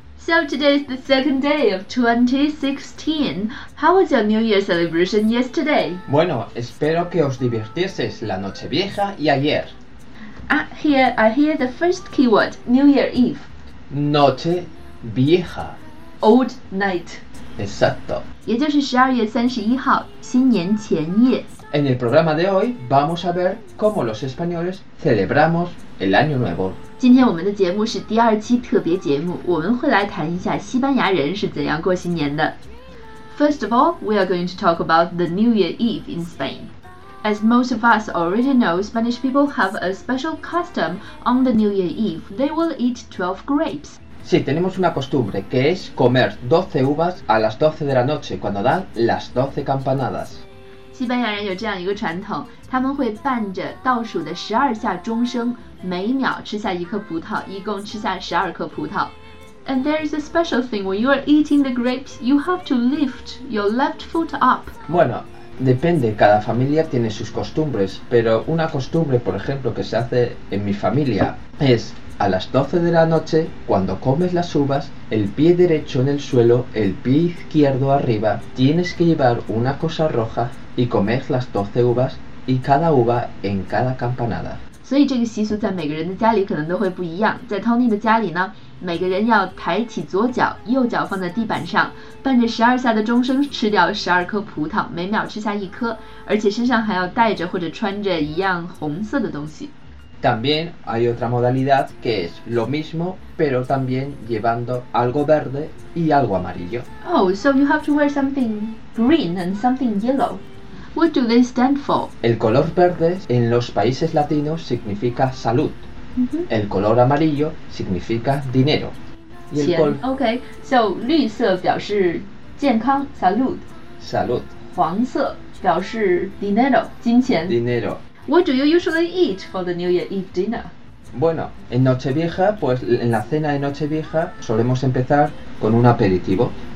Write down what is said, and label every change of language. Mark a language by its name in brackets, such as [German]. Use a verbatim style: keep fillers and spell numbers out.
[English] So today is the second day of twenty sixteen. How was your New Year celebration yesterday? [Spanish] Bueno, espero que os divirtieseis la noche vieja y ayer. [English] Ah, here I hear the first keyword, New Year Eve. [Spanish] Noche vieja. [English] Old night. [Spanish] Exacto. [Chinese] 也就是twelve月thirty-one号，新年前夜。 [Spanish] En el programa de hoy vamos a ver cómo los españoles celebramos el Año Nuevo. [Chinese] 今天我们的节目是第二期特别节目，我们会来谈一下西班牙人是怎样过新年的。 [English] First of all, we are going to talk about the New Year Eve in Spain. As most of us already know, Spanish people have a special custom on the New Year Eve. They will eat twelve grapes. [Spanish] Sí, tenemos una costumbre que es comer doce uvas a las doce de la noche cuando dan las doce campanadas. [Chinese] 西班牙人有这样一个传统，他们会伴着倒数的十二下钟声，每秒吃下一颗葡萄，一共吃下十二颗葡萄。 [English] And there is a special thing when you are eating the grapes, you have to lift your left foot up. [Spanish] Bueno, depende, cada familia tiene sus costumbres, pero una costumbre, por ejemplo, que se hace en mi familia es a las doce de la noche, cuando comes las uvas, el pie derecho en el suelo, el pie izquierdo arriba, tienes que llevar una cosa roja. Y comer las doce uvas y cada uva en cada campanada. [Chinese] 所以这个习俗在每个人的家里可能都会不一样。在 Tony 的家里呢，每个人要抬起左脚，右脚放在地板上，伴着twelve下的钟声吃掉twelve颗葡萄，每秒吃下一颗，而且身上还要带着或者穿着一样红色的东西。 [Spanish] También hay otra modalidad que es lo mismo, pero también llevando algo verde y algo amarillo. [English] Oh, so you have to wear something green and something yellow. What do they stand for? [Spanish] El color verde en los países latinos significa salud. Mm-hmm. El color amarillo significa dinero. Y el col- [English] okay, so [Chinese] 绿色表示健康 salud. [Spanish] Salud. [Chinese] 黄色表示 dinero, 金钱 [Spanish] dinero. [English] What do you usually eat for the New Year Eve dinner? [Spanish] Bueno, en Nochevieja, pues en la cena de Nochevieja solemos empezar con un aperitivo.